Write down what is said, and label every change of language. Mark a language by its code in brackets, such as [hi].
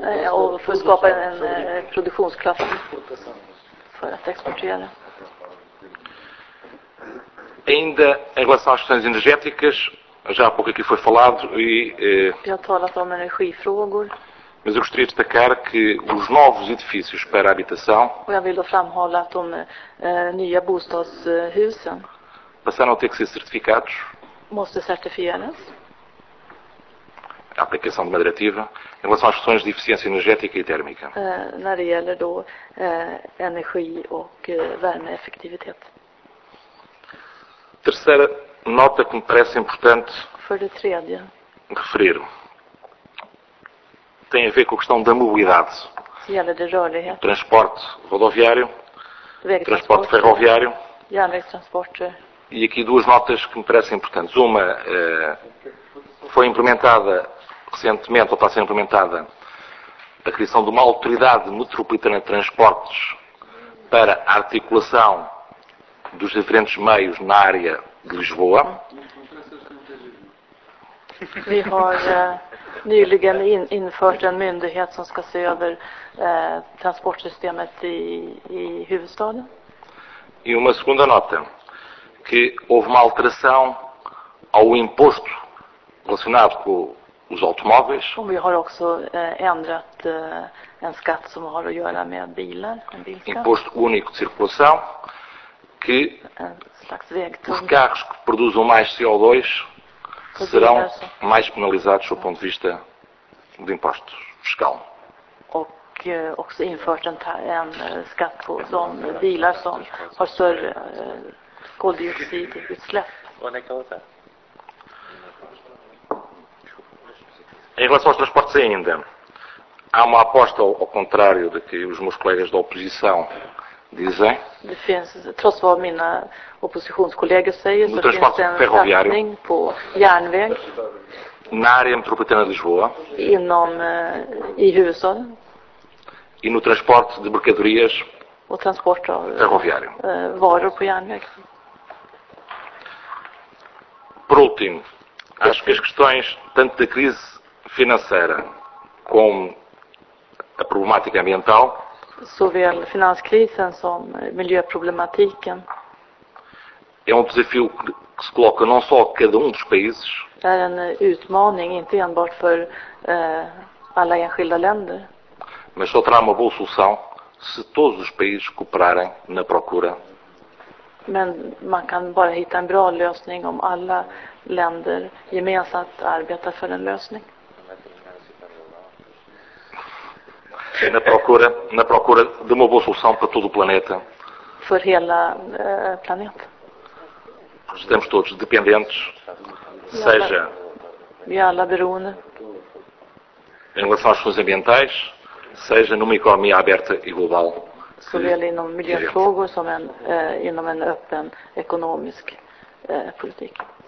[sv] och för att skapa en produktionskraft för att exportera. [pt] Ainda em relação às questões energéticas, já há pouco aqui foi falado e eu falava sobre [sv] energifrågor. [pt] Mas eu gostaria de destacar que os novos edifícios para a habitação, [sv] och jag vill då framhålla att de nya bostadshusen [pt] passaram a ter que ser certificados. [sv] Måste certifieras. [pt] A aplicação de uma diretiva em relação às questões de eficiência energética e térmica. [sv] När det gäller då energi och värmeeffektivitet. [pt] Terceira nota que me parece importante. [sv] För det tredje. [pt] Referir. Tem a ver com a questão da mobilidade. [sv] Se gäller det rörlighet. [pt] Transporte rodoviário. Transporte ferroviário. [sv] Järnvägstransporter. [pt] E aqui duas notas que me parecem importantes. Uma foi implementada recentemente, ou está a ser implementada, a criação de uma autoridade metropolitana de transportes para a articulação dos diferentes meios na área de Lisboa. [sv] Vi har nyligen infört en myndighet som ska se över transportsystemet i huvudstaden. [pt] E uma segunda nota, que houve uma alteração ao imposto relacionado com os automóveis. [sv] Och vi har också ändrat en skatt som har att göra med bilar, en bilskatt. [pt] Imposto único de circulação, que [sv] en slags vägtull. [pt] Os carros que produzam mais CO2 serão mais penalizados do ponto de vista de imposto fiscal. [sv] Och också infört en skatt på de bilar som har större koldioxidutsläpp. [pt] Em relação aos transportes ainda, há uma aposta, ao contrário do que os meus colegas da oposição dizem, [sv] det finns, trots vad mina oppositionskollegor säger, [pt] no transporte ferroviário, [sv] på järnväg, [pt] na área metropolitana de Lisboa, [sv] i huvudstaden, [pt] e no transporte de mercadorias, o transporte [sv] av, [pt] ferroviário, [sv] varor på järnväg. [pt] Por último, acho que as questões, tanto da crise financeira com a problemática ambiental, [sv] såväl finanskrisen som miljöproblematiken, [pt] é um desafio que se coloca não só a cada dos países, é [sv] en utmaning inte enbart för alla enskilda länder, [pt] mas só terá uma boa solução se todos os países cooperarem na procura. [sv] Men man kan bara hitta en bra lösning om alla länder gemensamt arbetar för en lösning. [pt] Na procura de uma boa solução para todo o planeta. [sv] För hela planet. [pt] Estamos todos dependentes, seja [sv] vi alla beroende, [pt] em relação às questões ambientais, seja numa economia aberta e global. [sv] Såväl inom miljöfrågor som inom en öppen ekonomisk politik.